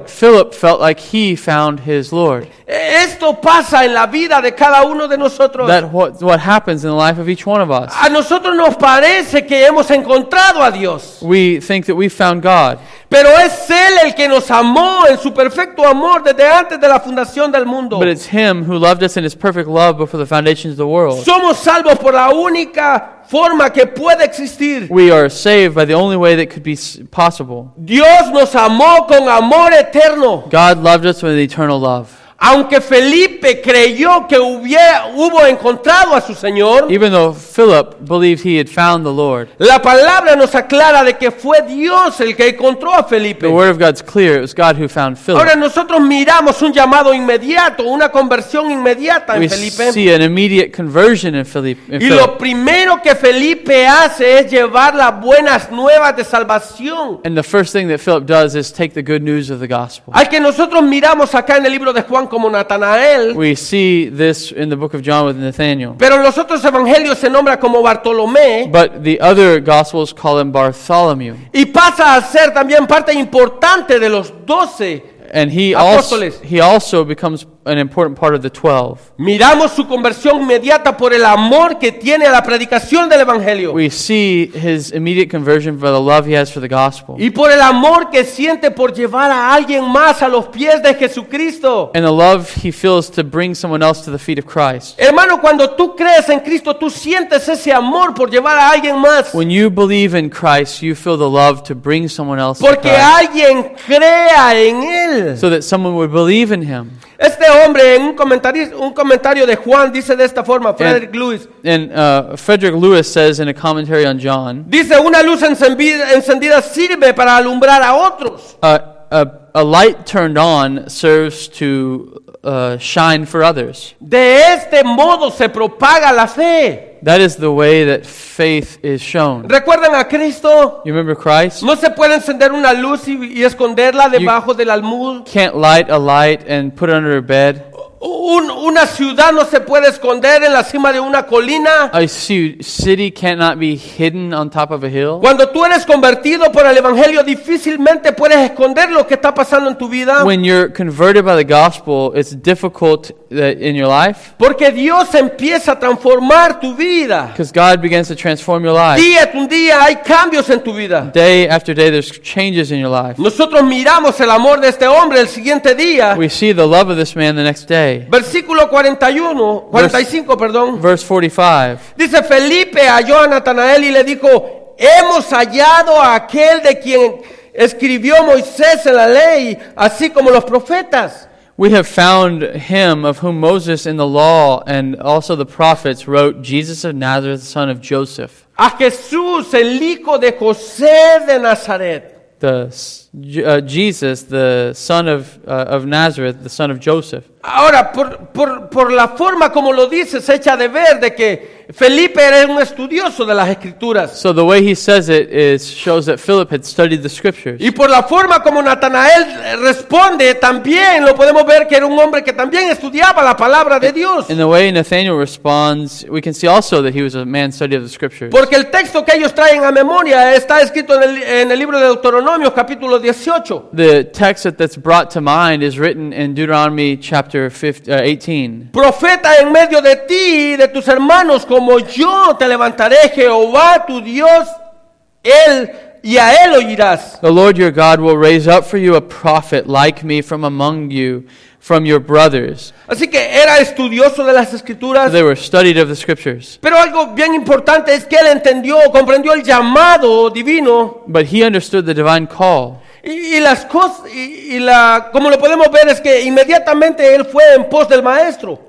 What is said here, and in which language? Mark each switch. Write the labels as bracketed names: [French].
[English] But Philip felt like he found his Lord. [Spanish] Esto pasa en la vida de cada uno de nosotros. [English] That what happens in the life of each one of us. [Spanish] A nosotros nos parece que hemos encontrado a Dios. [English] We think that we've found God. [Spanish] Pero es Él el que nos amó en su perfecto amor desde antes de la fundación del mundo. [English] But it's Him who loved us in His perfect love before the foundations of the world. [Spanish] Somos salvos por la única forma que puede existir. [English] We are saved by the only way that could be possible. [Spanish] Dios nos amó con amor eterno. [English] God loved us with eternal love. [Spanish] Aunque Felipe creyó que hubo encontrado a su Señor, [English] even though Philip believed he had found the Lord, [Spanish] la palabra nos aclara de que fue Dios el que encontró a Felipe. [English] The word of God's clear, it was God who found Philip. [Spanish] Ahora nosotros miramos un llamado inmediato, una conversión inmediata [English] we [Spanish] en Felipe. [English] See an immediate conversion in Philip. [Spanish] Y Philip. Lo primero que Felipe hace es llevar las buenas nuevas de salvación. [English] And the first thing that Philip does is take the good news of the gospel. [Spanish] Al que nosotros miramos acá en el libro de Juan como Natanael. [English] We see this in the book of John with Nathanael. [Spanish] Pero los otros evangelios se nombra como Bartolomé. [English] But the other gospels call him Bartholomew. [Spanish] Y pasa a ser también parte importante de los 12 [English] And he also becomes an important part of the 12. [Spanish] Miramos su conversión inmediata por el amor que tiene a la predicación del evangelio. [English] We see his immediate conversion for the love he has for the gospel. [Spanish] Y por el amor que siente por llevar a alguien más a los pies de Jesucristo. [English] And the love he feels to bring someone else to the feet of Christ. [Spanish] Hermano, cuando tú crees en Cristo, tú sientes ese amor por llevar a alguien más. [English] When you believe in Christ, you feel the love to bring someone else [Spanish] Porque [English] to Christ. [Spanish] Porque alguien crea en él. [English] So that someone would believe in him. [Spanish] Este hombre en un comentario de Juan dice de esta forma, Frederick Lewis. [English] Frederick Lewis says in a commentary on John. [Spanish] Dice, una luz encendida sirve para alumbrar a otros. [English] A light turned on serves to shine for others. [Spanish] De este modo se propaga la fe. [English] That is the way that faith is shown. [Spanish] ¿Recuerdan a Cristo? [English] You remember Christ? [Spanish] No se puede encender una luz y esconderla debajo del almud. [English] Can't light a light and put it under a bed. [Spanish] Una ciudad no se puede esconder en la cima de una colina. [English] A city cannot be hidden on top of a hill. [Spanish] Cuando tú eres convertido por el evangelio, difícilmente puedes esconder lo que está pasando en tu vida. [English] When you're converted by the gospel, it's difficult in your life. [Spanish] Porque Dios empieza a transformar tu vida. [English] Because God begins to transform your life. [Spanish] Día tras día hay cambios en tu vida. [English] Day after day there's changes in your life. [Spanish] Nosotros miramos el amor de este hombre el siguiente día. [English] We see the love of this man the next day. [Spanish] Versículo 45. Dice Felipe halló a Natanael y le dijo, hemos hallado a aquel de quien escribió Moisés en la ley, así como los profetas. [English] We have found him of whom Moses in the law and also the prophets wrote, Jesus of Nazareth, son of Joseph. [Spanish] A Jesús, el hijo de José de Nazaret. [English] Jesus, the son of Nazareth, the son of Joseph. [Spanish] Ahora, por la forma como lo dice, se echa de ver de que Felipe era un estudioso de las Escrituras. [English] So the way he says it is shows that Philip had studied the Scriptures. [Spanish] Y por la forma como Natanael responde, también lo podemos ver que era un hombre que también estudiaba la palabra de Dios. [English] In the way Nathanael responds, we can see also that he was a man study of the Scriptures. [Spanish] Porque el texto que ellos traen a memoria está escrito en el libro de Deuteronomio, capítulo 18. [English] The text that's brought to mind is written in Deuteronomy chapter 18. [Spanish] Profeta en medio de ti y de tus hermanos, como yo te levantaré, Jehová tu Dios, él y a él oirás. [English] The Lord your God will raise up for you a prophet like me from among you, from your brothers. [Spanish] Así que era estudioso de las Escrituras. [English] They were studied of the Scriptures. [Spanish] Pero algo bien importante es que él entendió, comprendió el llamado divino. [English] But he understood the divine call. [Spanish] Y como lo podemos ver es que inmediatamente él fue en pos del maestro.